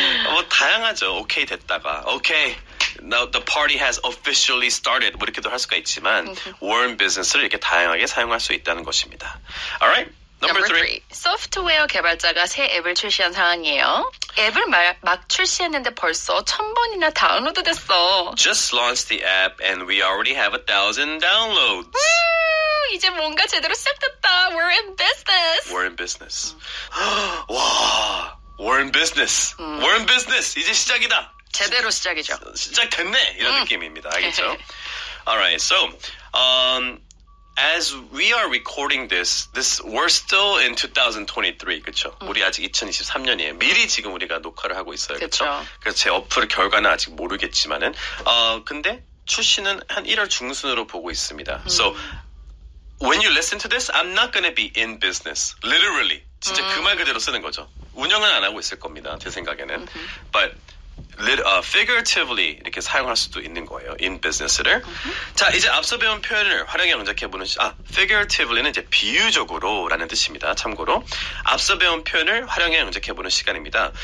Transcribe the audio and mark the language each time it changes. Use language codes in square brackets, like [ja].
[ko] 뭐 다양하죠. 오케이 됐다가 오케이 [en] now the party has officially started [ko] 이렇게도 할 수가 있지만 We're in business를 이렇게 다양하게 사용할 수 있다는 것입니다. Alright, [en] Number three. [ko] 소프트웨어 개발자가 새 앱을 출시한 상황이에요. 앱을 막 출시했는데 벌써 1,000번이나 다운로드 됐어. [en] Just launched the app and we already have 1,000 downloads. [ko] 이제 뭔가 제대로 시작됐다. [en] We're in business. We're in business. 와, we're in business. We're in business. [ko] 이제 시작이다. 제대로 시작이죠. 시작됐네. 이런 느낌입니다. 알겠죠? Alright, so... [en] As we are recording this, we're still in 2023, 그쵸? [ko] 우리 아직 2023년이에요. 미리 지금 우리가 녹화를 하고 있어요, 그쵸? 그래서 제 어플 결과는 아직 모르겠지만은. 근데 출시는 한 1월 중순으로 보고 있습니다. [en] So, when you listen to this, I'm not gonna be in business. Literally. [ko] 진짜 그 말 그대로 쓰는 거죠. 운영은 안 하고 있을 겁니다, 제 생각에는. But, figuratively 이렇게 사용할 수도 있는 거예요. In business를. 자, 이제 앞서 배운 표현을 활용해 응적해보는 figuratively는 이제 비유적으로 라는 뜻입니다. 참고로 앞서 배운 표현을 활용해 응적해보는 시간입니다.